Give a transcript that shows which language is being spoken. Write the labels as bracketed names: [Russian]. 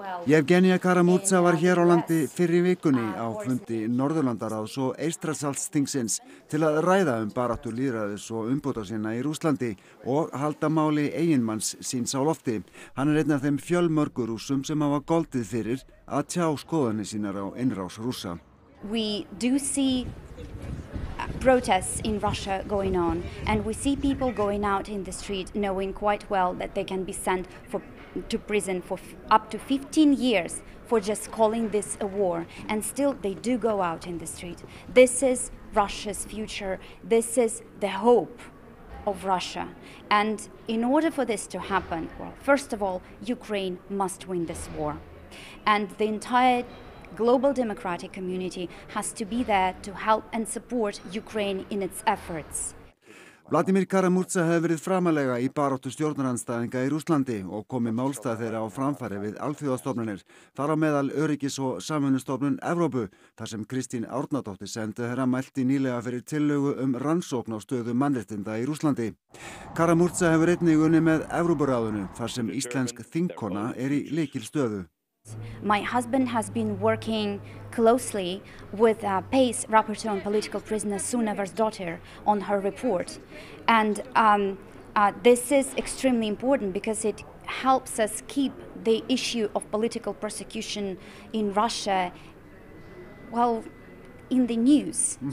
[Icelandic] Yevgenia Karamúrsa var hér á landi fyrr í vikunni á fundi Norðurlandaráðs og Eystrasaltsþingsins til að ræða baráttu lýðræðis og umbóta sinna í Rússlandi og halda máli eiginmanns síns á lofti. Hann einn af þeim fjölmörgu rússum sem hafa goldið fyrir að tjá skoðanir sínar á innrás Rússa. [English] We do see protests in Russia going on and we see people going out in the street knowing quite well that they can be sent for to prison for up to 15 years for just calling this a war and still they do go out in the street. This is Russia's future. This is the hope of Russia. And in order for this to happen, well, first of all, Ukraine must win this war. And the entire global democratic community has to be there to help and support Ukraine in its efforts. [Icelandic] Vladimír Karamúrsa hefur verið framalega í baráttu stjórnarandstæðinga í Rússlandi og komið málstað þeirra á framfæri við alþjóðastofnunir, þar á meðal Öryggis- og Samvinnustofnun Evrópu, þar sem Kristín Árnadóttir sendu herra mælti nýlega fyrir tillögu rannsókn á stöðu mannréttinda í Rússlandi. Karamúrsa hefur einnig unnið með Evrópuráðinu, þar sem íslensk þingkona í lykilstöðu. [English] My husband has been working closely with PACE, Rapporteur on Political Prisoners, Sunever's daughter, on her report. And This is extremely important because it helps us keep the issue of political persecution in Russia, well, in the news, mm-hmm.